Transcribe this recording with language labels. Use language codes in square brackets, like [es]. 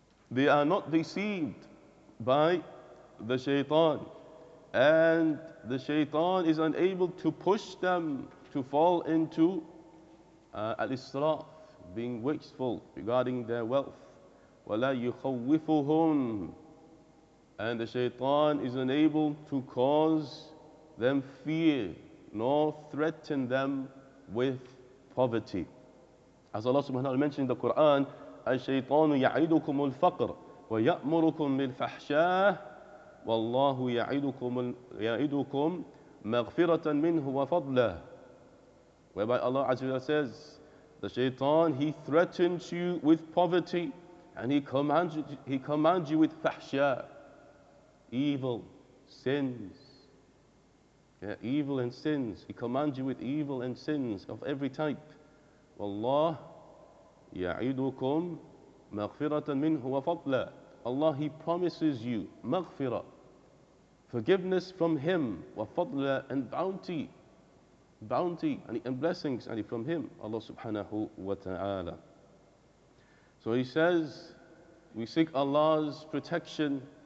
[en] They are not deceived by the shaitan, and the shaitan is unable to push them to fall into al-israf, being wasteful regarding their wealth. [ar] وَلَا يُخَوِّفُهُمْ, [en] and the shaitan is unable to cause them fear nor threaten them with poverty. As Allah subhanahu wa ta'ala mentioned in the Quran, [ar] الشَّيْطَانُ يَعِدُكُمُ الْفَقْرَ وَيَأْمُرُكُمْ بِالْفَحْشَاهِ وَاللَّهُ يَعِدُكُمْ مَغْفِرَةً مِنْهُ وَفَضْلَهُ. [en] Whereby Allah Azza wa Jalla says, the shaitan, he threatens you with poverty, and he commands you with fahsha, evil, sins. Yeah, evil and sins. He commands you with evil and sins of every type. [ar] Allah يَعِدُكُمْ مَغْفِرَةً مِنْهُ وَفَضْلًا. [en] Allah, he promises you مَغْفِرَةً, forgiveness from him, وَفَضْلًا, and bounty. Bounty and blessings from him, Allah subhanahu wa ta'ala. So he says, we seek Allah's protection.